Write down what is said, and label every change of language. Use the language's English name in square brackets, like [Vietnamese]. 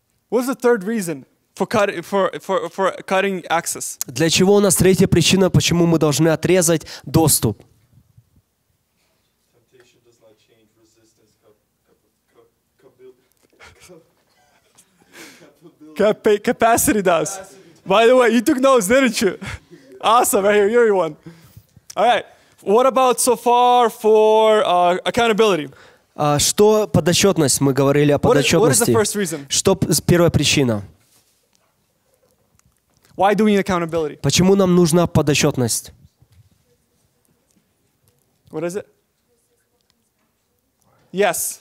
[English] What is the third reason for cutting access? [Russian] Для чего у нас третья причина, почему мы должны отрезать доступ? [English] Temptation does not change resistance. Capacity does. By the way, you took notes, didn't you? Awesome, right here, you're the one. All right, what about so far for accountability? [Russian] Что подотчетность? Мы говорили о подотчетности. [English] What is the first reason? [Russian] Что первая причина? [English] Why do we need accountability? [Russian] Почему нам нужна подотчетность? [English] What is it? Yes.